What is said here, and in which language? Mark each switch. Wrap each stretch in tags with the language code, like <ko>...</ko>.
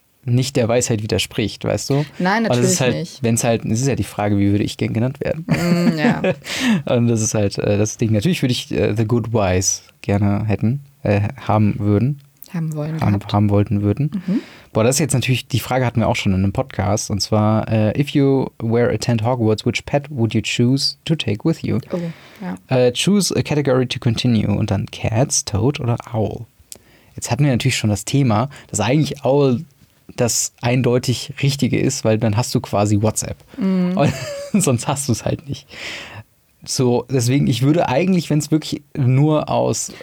<de>nicht der Weisheit widerspricht, weißt du? Nein, natürlich das ist halt, nicht. Wenn es halt, es ist ja die Frage, wie würde ich gern genannt werden? Mm, ja. Und das ist halt das Ding. Natürlich würde ich The Good Wise gerne hätten, haben würden. Haben wollen. Haben wollten würden. Mhm. Boah, das ist jetzt natürlich, die Frage hatten wir auch schon in einem Podcast. Und zwar,</de> <en>if you were a tent Hogwarts, which pet would you choose to take with you?</en> <de>Oh, ja.</de> <en>Choose a category to continue.</en> <de>Und dann Cats, Toad oder Owl? Jetzt hatten wir natürlich schon das Thema, dass eigentlich Owl das eindeutig Richtige ist, weil dann hast du quasi WhatsApp. Mhm. Und sonst hast du es halt nicht. So, deswegen, ich würde eigentlich, wenn es wirklich nur aus...</de>